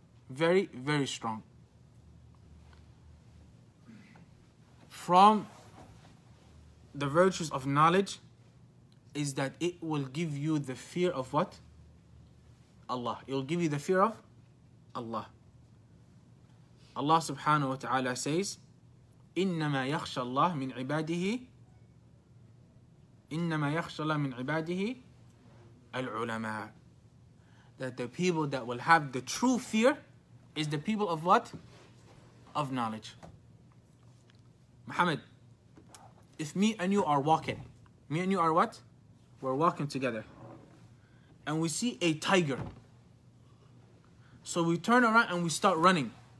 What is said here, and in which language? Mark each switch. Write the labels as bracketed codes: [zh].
[en] Very, very strong. From the virtues of knowledge, is that it will give you the fear of what? Allah. It will give you the fear of Allah. Allah subhanahu wa ta'ala says, [ar] إِنَّمَا يَخْشَى اللَّهِ مِنْ عِبَادِهِ إِنَّمَا يَخْشَى اللَّهِ مِنْ عِبَادِهِ الْعُلَمَاء. [en] That the people that will have the true fear is the people of what? Of knowledge. Muhammad, if me and you are walking, me and you are what? We're walking together. And we see a tiger. So we turn around and we start running.